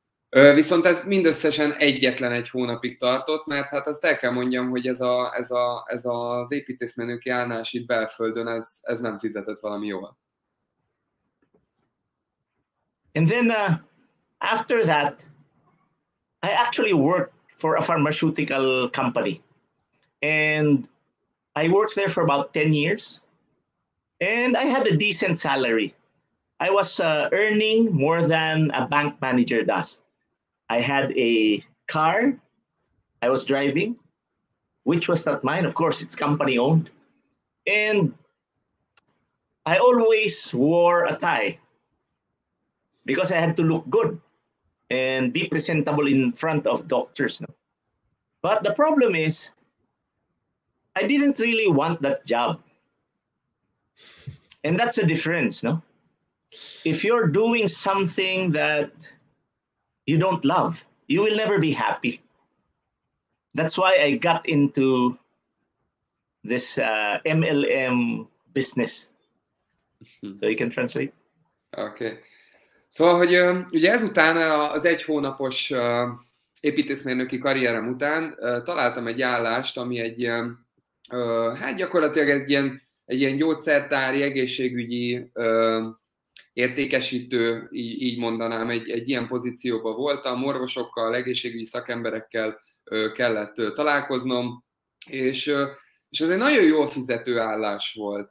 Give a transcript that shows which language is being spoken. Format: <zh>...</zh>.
<hu>Viszont ez mindösszesen egyetlen egy hónapig tartott, mert hát azt el kell mondjam, hogy ez az építészmérnöki állás itt belföldön, ez nem fizetett valami jól.</hu> <en>And then after that, I actually worked for a pharmaceutical company. And I worked there for about 10 years. And I had a decent salary. I was earning more than a bank manager does. I had a car I was driving, which was not mine. Of course, it's company owned. And I always wore a tie, because I had to look good and be presentable in front of doctors. But the problem is, I didn't really want that job. And that's the difference, no? If you're doing something that you don't love, you will never be happy. That's why I got into this MLM business. So you can translate. Okay.</en> <hu>Szóval, hogy ugye ezután az egy hónapos építészmérnöki karrierem után találtam egy állást, ami egy ilyen Hát gyakorlatilag egy ilyen gyógyszertári, egészségügyi értékesítő, így mondanám, egy ilyen pozícióban voltam, orvosokkal, egészségügyi szakemberekkel kellett találkoznom, és ez egy nagyon jó fizető állás volt.</hu>